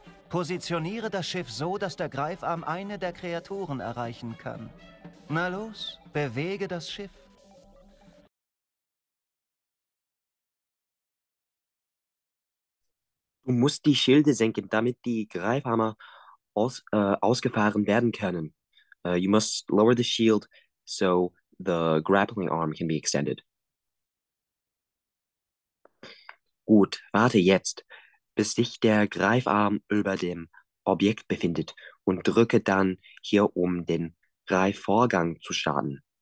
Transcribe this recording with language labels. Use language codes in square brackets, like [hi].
[de] Positioniere das Schiff so, dass der Greifarm eine der Kreaturen erreichen kann. Na los, bewege das Schiff. Du musst die Schilde senken, damit die Greifarme ausgefahren werden können. [en] You must lower the shield so the grappling arm can be extended. [de] Gut, warte jetzt, bis sich der Greifarm über dem Objekt befindet und drücke dann hier, um den Greifvorgang zu starten.